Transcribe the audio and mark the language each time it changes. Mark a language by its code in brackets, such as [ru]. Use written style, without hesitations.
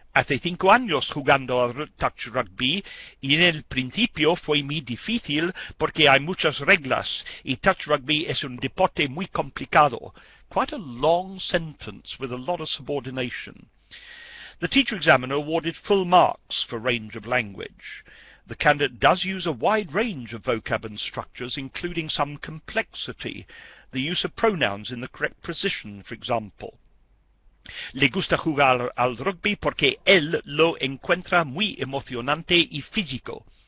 [es] Hace 5 años jugando a touch rugby, y en el principio fue muy difícil porque hay muchas reglas, y touch rugby es un deporte muy complicado. [en] Quite a long sentence with a lot of subordination. The teacher examiner awarded full marks for range of language. The candidate does use a wide range of vocab and structures, including some complexity, the use of pronouns in the correct position, for example. [es] Le gusta jugar al rugby porque él lo encuentra muy emocionante y físico.